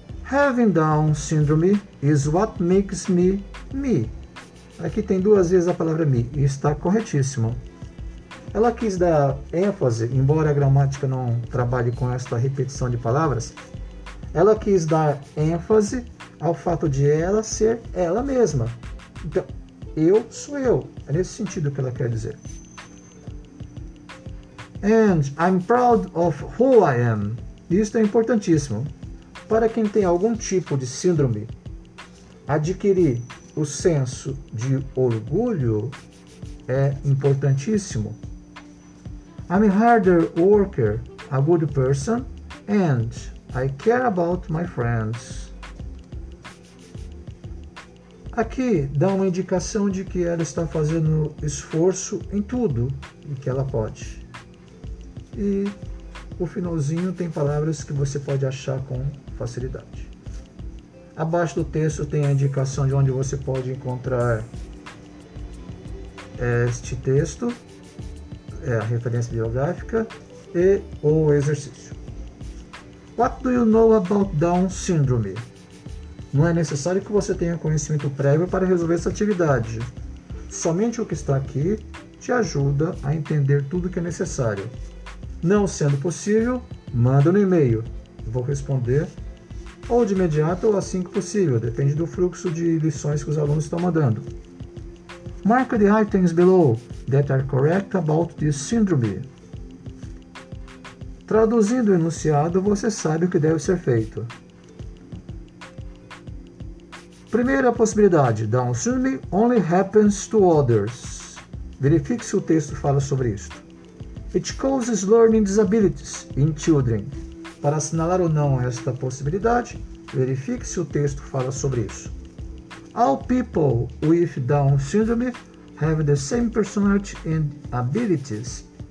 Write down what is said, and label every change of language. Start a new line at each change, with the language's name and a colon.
English: Having Down Syndrome is what makes me me.
Portuguese: Aqui tem duas vezes a palavra me e está corretíssima. Ela quis dar ênfase, embora a gramática não trabalhe com esta repetição de palavras, ela quis dar ênfase ao fato de ela ser ela mesma. Então, eu sou eu. É nesse sentido que ela quer dizer.
English: And I'm proud of who I am.
Portuguese: Isto é importantíssimo. Para quem tem algum tipo de síndrome, adquirir o senso de orgulho é importantíssimo.
English: I'm a harder worker, a good person, and I care about my friends.
Portuguese: Aqui dá uma indicação de que ela está fazendo esforço em tudo e que ela pode. E o finalzinho tem palavras que você pode achar com facilidade. Abaixo do texto tem a indicação de onde você pode encontrar este texto, é a referência bibliográfica e o exercício.
English: What do you know about Down Syndrome?
Portuguese: Não é necessário que você tenha conhecimento prévio para resolver essa atividade. Somente o que está aqui te ajuda a entender tudo que é necessário. Não sendo possível, manda no e-mail. Vou responder ou de imediato ou assim que possível. Depende do fluxo de lições que os alunos estão mandando.
English: Mark the items below that are correct about this syndrome.
Portuguese: Traduzindo o enunciado, você sabe o que deve ser feito. Primeira possibilidade,
English: downstreaming only happens to others.
Portuguese: Verifique se o texto fala sobre isto.
English: It causes learning disabilities in children.
Portuguese: Para assinalar ou não esta possibilidade, verifique se o texto fala sobre isso.
English: All people with Down syndrome have the same personality and abilities.